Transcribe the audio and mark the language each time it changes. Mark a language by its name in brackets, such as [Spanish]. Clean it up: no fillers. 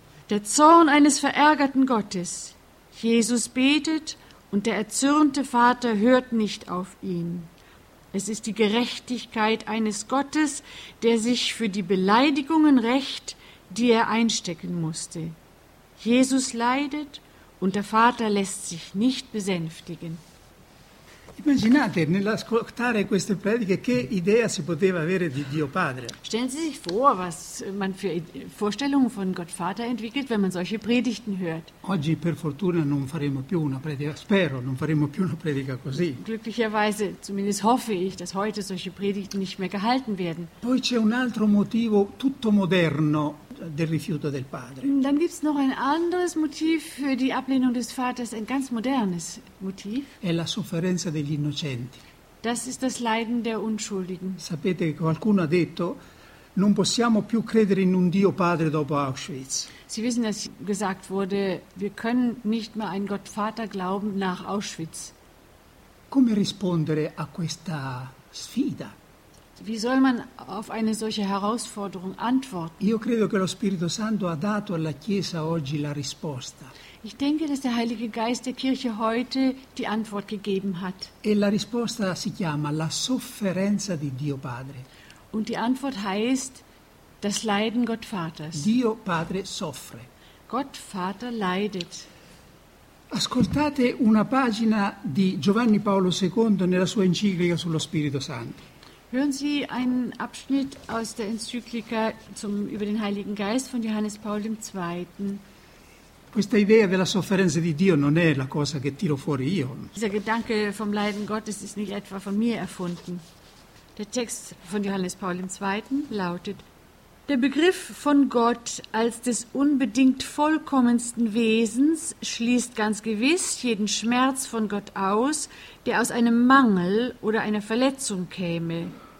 [German] Der Zorn eines verärgerten Gottes. Jesus betet und der erzürnte Vater hört nicht auf ihn. Es ist die Gerechtigkeit eines Gottes, der sich für die Beleidigungen rächt, die er einstecken musste. Jesus leidet und der Vater lässt sich nicht besänftigen. [Italian] Immaginate nell'ascoltare queste prediche che idea si poteva avere di Dio Padre. [German] Stellen Sie sich vor, was man für Vorstellungen von Gott Vater entwickelt, wenn man solche Predigten hört. [Italian] Oggi per fortuna non faremo più una predica, spero, non faremo più una predica così. [German] Glücklicherweise, zumindest hoffe ich, dass heute solche Predigten nicht mehr gehalten werden. [Italian] Poi c'è un altro motivo tutto moderno del rifiuto del Padre. [German] Dann gibt es noch ein anderes Motiv für die Ablehnung des Vaters, ein ganz modernes Motiv. [Italian] È la sofferenza degli innocenti. [German] Das ist das Leiden der Unschuldigen. [Italian] Sapete che qualcuno ha detto, non possiamo più credere in un Dio Padre dopo Auschwitz. [German] Sie wissen, dass gesagt wurde, wir können nicht mehr an Gott Vater glauben nach Auschwitz. [Italian] Come rispondere a questa sfida? [German] Wie soll man auf eine solche Herausforderung antworten? [Italian] Io credo che lo Spirito Santo ha dato alla Chiesa oggi la risposta. [German] Ich denke, dass der Heilige Geist der Kirche heute die Antwort gegeben hat. [Italian] E la risposta si chiama la sofferenza di Dio Padre. [German] Und die Antwort heißt das Leiden Gott Vaters. [Italian] Dio Padre soffre. [German] Gott Vater leidet. [Italian] Ascoltate una pagina di Giovanni Paolo II nella sua enciclica sullo Spirito Santo. [German] Hören Sie einen Abschnitt aus der Enzyklika über den Heiligen Geist von Johannes Paul II. [Italian] Questa idea della sofferenza di Dio non è la cosa che tiro fuori io. [German] Dieser Gedanke vom Leiden Gottes ist nicht etwa von mir erfunden. Der Text von Johannes Paul II. Lautet: Der Begriff von Gott als des unbedingt vollkommensten Wesens schließt ganz gewiss jeden Schmerz von Gott aus, der aus einem Mangel oder einer Verletzung käme.